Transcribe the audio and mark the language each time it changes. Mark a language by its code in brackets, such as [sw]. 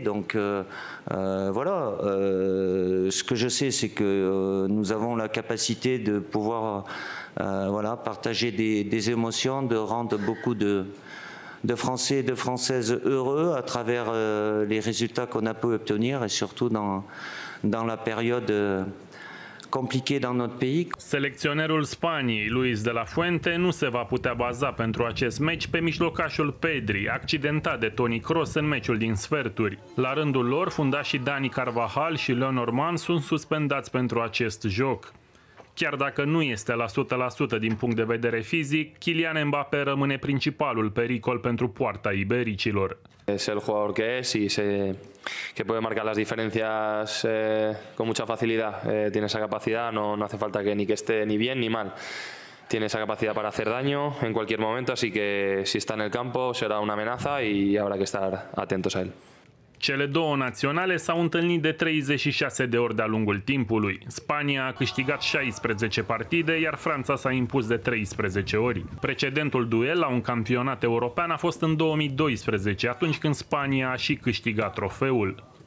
[fr] Donc voilà, ce que je sais, c'est que nous avons la capacité de pouvoir voilà, partager des émotions, de rendre beaucoup de Français et de Françaises heureux à travers les résultats qu'on a pu obtenir et surtout dans la période... compliqué dans notre pays. [ro] Selecționerul Spaniei, Luis de la Fuente, nu se va putea baza pentru acest meci pe mijlocașul Pedri, accidentat de Toni Kroos în meciul din sferturi. La rândul lor, fundașii Dani Carvajal și Lenormand sunt suspendați pentru acest joc. Chiar dacă nu este la 100% din punct de vedere fizic, Kylian Mbappé rămâne principalul pericol pentru poarta ibericilor. [es] Este el jugador que es y se que puede marcar las diferencias con mucha facilidad. Tiene esa capacidad, no hace falta que ni que esté ni bien ni mal. Tiene esa capacidad para hacer daño en cualquier momento, así que si está en el campo será una amenaza y habrá que estar atentos a él. [ro] Cele două naționale s-au întâlnit de 36 de ori de-a lungul timpului. Spania a câștigat 16 partide, iar Franța s-a impus de 13 ori. Precedentul duel la un campionat european a fost în 2012, atunci când Spania a și câștigat trofeul.